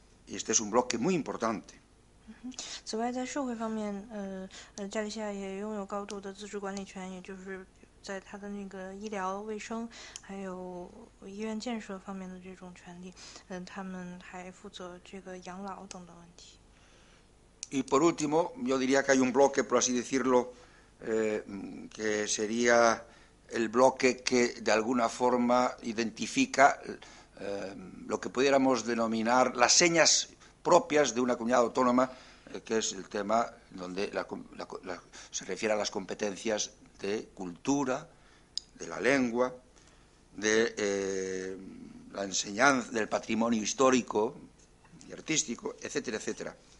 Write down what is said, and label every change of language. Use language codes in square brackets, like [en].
[es] y este es un bloque muy importante. [zh] 此外，在社会方面，加利西亚也拥有高度的自主管理权，也就是在他的那个医疗卫生，还有医院建设方面的这种权利。他们还负责这个养老等等问题。 [es] Y por último, yo diría que hay un bloque, por así decirlo, que sería el bloque que de alguna forma identifica lo que pudiéramos denominar las señas propias de una comunidad autónoma, que es el tema donde se refiere a las competencias de cultura, de la lengua, de la enseñanza, del patrimonio histórico y artístico, etcétera, etcétera.